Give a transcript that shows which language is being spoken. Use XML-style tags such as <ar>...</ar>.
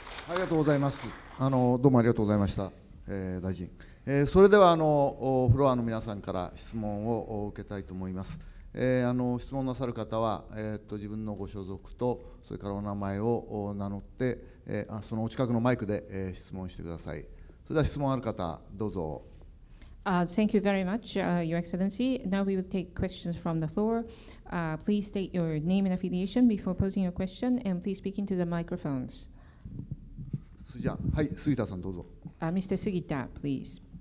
<ja>ありがとうございます。どうもありがとうございました。大臣、それではフロアの皆さんから質問を受けたいと思います。質問なさる方は、自分のご所属とそれからお名前を名乗って、そのお近くのマイクで、質問してください。それでは質問ある方どうぞ。</ja> <en>Thank you very much, Your Excellency. Now we will take questions from the floor. Please state your name and affiliation before posing your question, and please speak into the microphones.</en> <ja>じゃあ、はい、杉田さんどうぞ。</ja> <en>Mr. Sugita, please.</en>